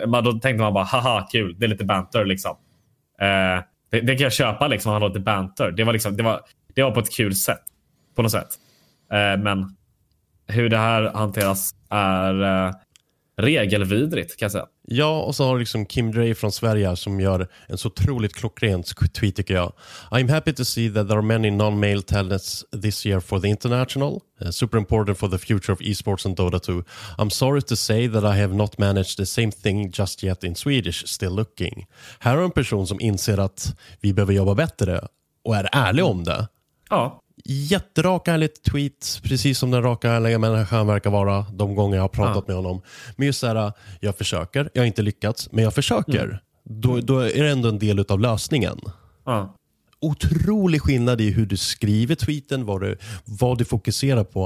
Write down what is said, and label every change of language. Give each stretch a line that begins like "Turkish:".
Swedish: Men då tänkte man bara haha kul, det är lite banter liksom. Det kan jag köpa liksom, han låter banter. Det var liksom, det var på ett kul sätt på något sätt. Men hur det här hanteras är regelvidrigt, kan jag säga. Ja, och så har du liksom Kim Dre från Sverige som gör en så otroligt klockrent tweet, tycker jag.
English: I'm happy to see that there are many non-male talents this year for the international. Super important for the future of esports and Dota 2. I'm sorry to say that I have not managed the same thing just yet in Swedish, still looking.
Swedish: Här är en person som inser att vi behöver jobba bättre och är ärlig om det. Ja. Jätterak ärligt tweet, precis som den raka ärliga människan verkar vara de gånger jag har pratat med honom. Men just såhär, jag försöker, jag har inte lyckats, men jag försöker. Då är det ändå en del av lösningen. Otrolig skillnad i hur du skriver tweeten, vad du fokuserar på.